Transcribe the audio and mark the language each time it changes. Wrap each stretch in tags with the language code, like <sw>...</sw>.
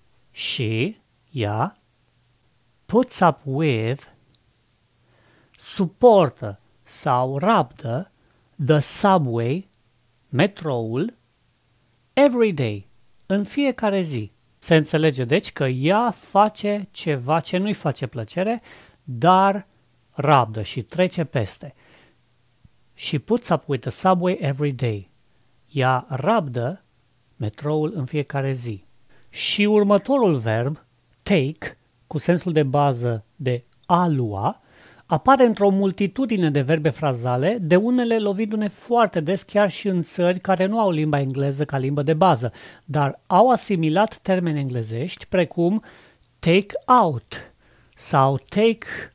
<ro>She, ea, puts up with, suportă sau rabdă</ro> <en>the subway,</en> <ro>metroul,</ro> <en>every day,</en> <ro>în fiecare zi. Se înțelege, deci, că ea face ceva ce nu-i face plăcere, dar rabdă și trece peste.</ro> <en>She puts up with the subway every day.</en> <ro>Ea rabdă metroul în fiecare zi. Și următorul verb, take, cu sensul de bază de a lua, apare într-o multitudine de verbe frazale, de unele lovindu-ne foarte des chiar și în țări care nu au limba engleză ca limbă de bază, dar au asimilat termeni englezești precum take out sau take</ro>